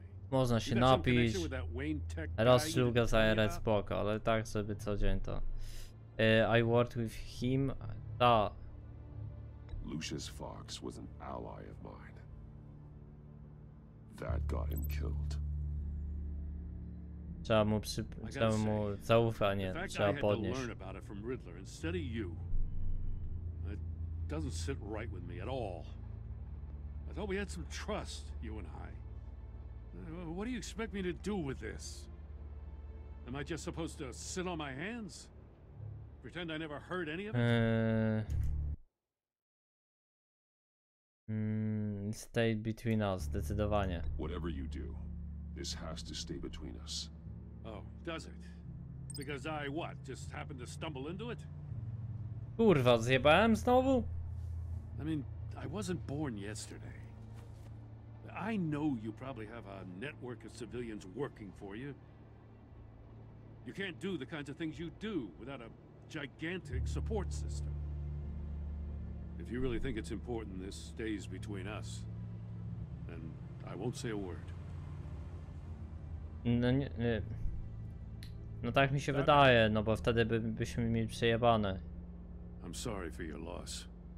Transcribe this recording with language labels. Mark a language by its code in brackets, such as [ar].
[pl] Można się napić. Raz szluga za RS spoko, ale tak sobie co dzień to. [en] I worked with him. [pl] Ta. [en] Lucius Fox was an ally of mine. That got him killed. [pl] Trzeba mu zaufanie, trzeba podnieść. [en] Learn about it from Riddler instead of you. It doesn't sit right with me at all. I thought we had some trust, you and I. What do you expect me to do with this? Am I just supposed to sit on my hands? Pretend I never heard any of it? Stay between us, [pl] zdecydowanie. [en] Whatever you do, this has to stay between us. Oh, does it? Because I what? Just happened to stumble into it? [pl] Kurwa, zjebałem znowu? [en] I mean, I wasn't born yesterday. I know you probably have a network of civilians working for you. You can't do the kinds of things you do without a gigantic support system. If you really think it's important this stays between us, then I won't say a word. [pl] No nie, nie. No tak mi się wydaje, no bo wtedy byśmy mieli przejebane. [en] I'm sorry for your loss.